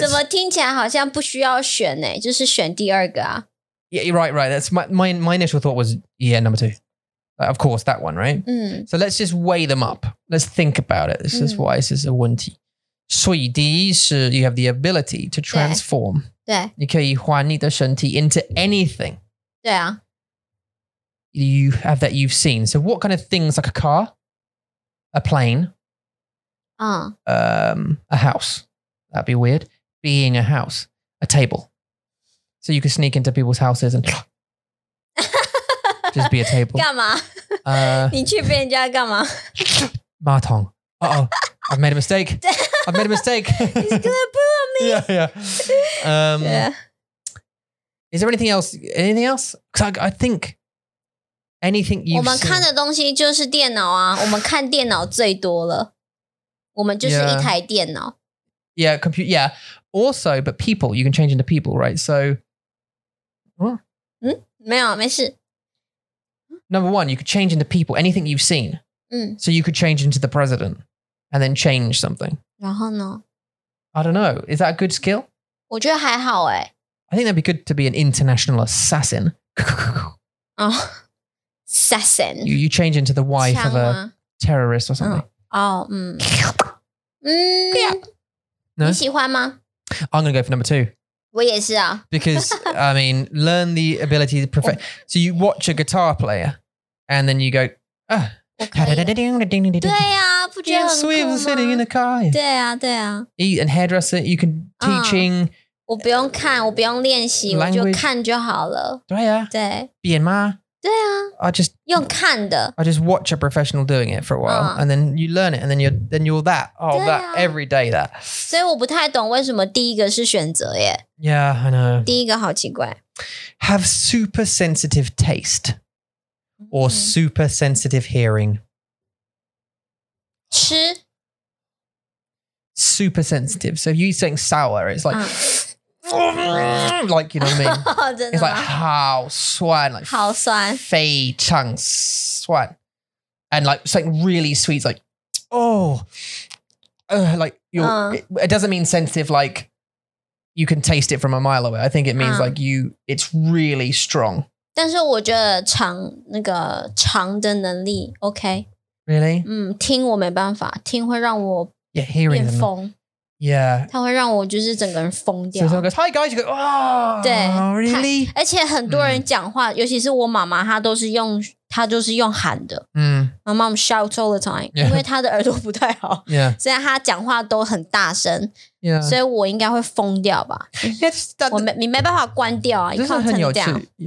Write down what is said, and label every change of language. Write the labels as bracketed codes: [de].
[zh] 怎么听起来好像不需要选呢? 就是选第二个啊? [en] Yeah, you're right. That's my initial thought was, yeah, number two. Of course, that one, right? Mm. So let's just weigh them up. Let's think about it. This is why this is a 问题. [zh] 所以第一是 [en] you have the ability to transform. [zh] 对。你可以换你的身体 [en] into anything. [zh] 对啊。 [en] You have that you've seen. So what kind of things, like a car, a plane, a house, that'd be weird, being a house, a table. So you could sneak into people's houses and just be a table. [zh] 干嘛?你去别人家干嘛? [en] 马桶.Uh-oh, I've made a mistake. He's gonna poo on me. Yeah. Is there anything else? Because I think... Anything you've seen. [zh] 我们看的东西就是电脑啊，我们看电脑最多了。我们就是一台电脑。 [en] Yeah, computer, yeah. Also, but people, you can change into people, right? So, what? [zh] 没有，没事。 [en] Number one, you could change into people, anything you've seen. So you could change into the president and then change something. [zh] 然后呢? [en] I don't know. Is that a good skill? [zh] 我觉得还好诶。 [en] I think that'd be good to be an international assassin. Oh. Assassin. You change into the wife of a terrorist or something. No? [zh] 你喜欢吗? [en] I'm going to go for number two. [zh] 我也是啊。 [en] Because, I mean, learn the ability to perfect. So you watch a guitar player and then you go, ah. [zh] 对啊，不觉得很酷吗? [en] Yeah, sweet, sitting in the car. [zh] 对啊，对啊。 [en] Eat and hairdresser, you can teaching. [zh] 我不用看,我不用练习,我就看就好了。对啊。对。变吗? 对啊 [en] I just, [zh] 用看的 [en] I just watch a professional doing it for a while and then you learn it and then you're that oh、啊、 that every day that [zh] 所以我不太懂为什么第一个是选择耶 [en] Yeah, I know [zh] 第一个好奇怪 [en] Have super sensitive taste or super sensitive hearing [zh] 吃 [en] Super sensitive So if you eat something sour it's likelike, you know what I mean? It's like, [zh] 好酸, [en] like, [zh] 好酸非常酸 [en] And like, something really sweet, like, oh, like, it doesn't mean sensitive, like, you can taste it from a mile away. I think it means like you, it's really strong. [zh] 但是我觉得尝,那个尝的能力, [en] okay. Really? [zh] 听我没办法,听会让我变疯。 [en] Yeah. [zh] 它会让我就是整个人疯掉。 [en] So someone goes, hi guys, you go, oh, really? [zh] 而且很多人讲话,尤其是我妈妈,她就是用喊的。 [en] My mom shouts all the time, [zh] 因为她的耳朵不太好。 [en] Yeah. [zh] 所以她讲话都很大声。 [en] Yeah. [zh] 所以我应该会疯掉吧。你没办法关掉啊,你看成这样。